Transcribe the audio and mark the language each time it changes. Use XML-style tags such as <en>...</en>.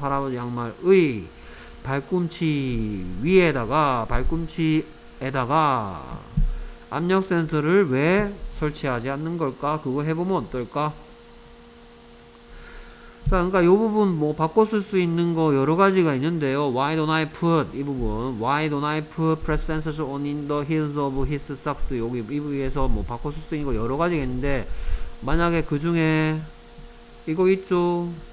<ko>할아버지 양말의 발꿈치 위에다가, 발꿈치에다가, 압력 센서를 왜 설치하지 않는 걸까? 그거 해보면 어떨까? 그러니까 이 부분 뭐 바꿨을 수 있는 거 여러 가지가 있는데요.</ko> <en>Why don't I put</en> <ko>이 부분?</ko> <en>Why don't I put press sensors on in the heels of his socks?</en> <ko>여기 이 부분에서 뭐 바꿨을 수 있는 거 여러 가지가 있는데 만약에 그 중에 이거 있죠?</ko>